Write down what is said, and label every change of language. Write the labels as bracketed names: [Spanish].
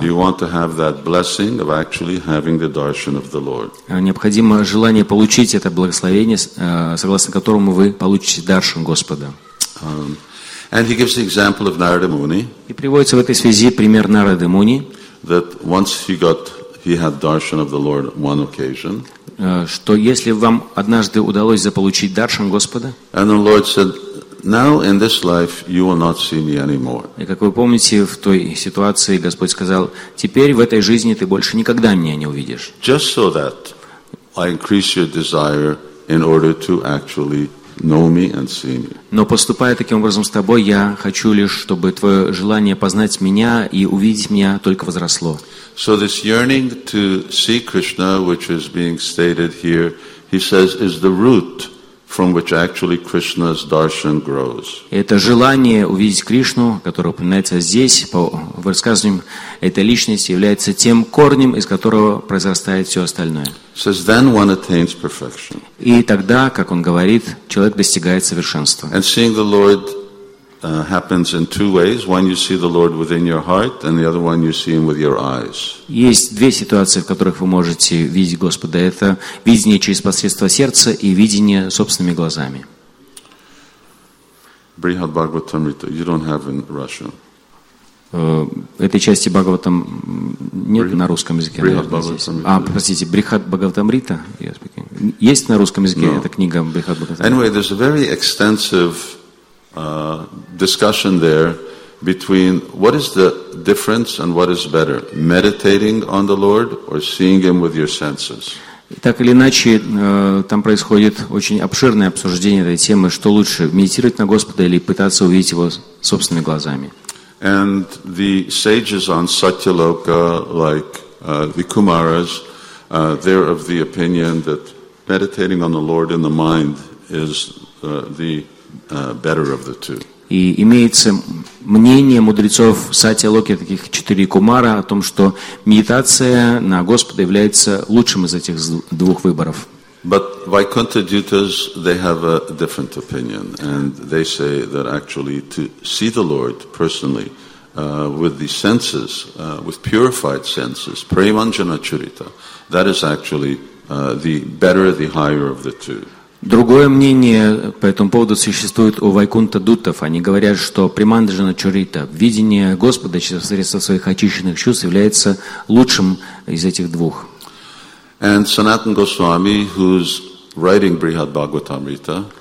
[English] You want to have that blessing of actually having the darshan of the Lord. [Russian] Необходимо желание получить это благословение, согласно которому вы получите даршан Господа. [English] And he gives the example of Narada Muni. [Russian] И приводится в этой связи пример Нарады Муни. [English] That once he had darshan of the Lord one occasion. [Russian] Что если вам однажды удалось заполучить даршан Господа? [English] And the Lord said, now in this life you will not see me anymore. [Russian] И как вы помните, в той ситуации Господь сказал: теперь в этой жизни ты больше никогда меня не увидишь. [English] Just so that I increase your desire in order to actually know me and see me. [Russian] Но поступая таким образом с тобой, я хочу лишь, чтобы твое желание познать меня и увидеть меня только возросло. [English] So this yearning to see Krishna, which is being stated here, he says, is the root from which actually Krishna's darshan grows. [Russian] Это желание увидеть Кришну, которое упоминается здесь, по высказываниям этой личности, является тем корнем, из которого произрастает все остальное. [English] Says then one attains perfection. [Russian] И тогда, как он говорит, человек достигает совершенства. [English] And seeing the Lord happens in two ways. One, you see the Lord within your heart, and the other one, you see Him with your eyes. [Russian] Есть две ситуации, в которых вы можете видеть Господа. Это видение через посредство сердца и видение собственными глазами. [English] Brihad Bhagavatamrita, you don't have in Russian. [Russian] Этой части Бхагаватам нет на русском языке. Простите, Брихад Бхагаватамрита? Есть на русском языке эта книга Брихад Бхагаватамрита? [English] Anyway, there's a very extensive discussion there between what is the difference and what is better, meditating on the Lord or seeing Him with your senses. [Russian] Так или иначе, там происходит очень обширное обсуждение этой темы, что лучше, медитировать на Господа или пытаться увидеть Его собственными глазами. [English] And the sages on Satyaloka, like the Kumaras, they're of the opinion that meditating on the Lord in the mind is better of the two. [Russian] И имеется мнение мудрецов Сатья-Локи, таких четыре кумара, о том, что медитация на Господа является лучшим из этих двух выборов. [English] But Vaikuntha Dutas, they have a different opinion, and they say that actually to see the Lord personally with the senses, with purified senses, Premanjana Charita, that is actually the better, the higher of the two. [Russian] Другое мнение по этому поводу существует у Вайкунта Дутов. Они говорят, что приманджана чурита, видение Господа через средства своих очищенных чувств, является лучшим из этих двух. [English] And Sanatan Goswami, who's writing Brihad Bhagavatamrita,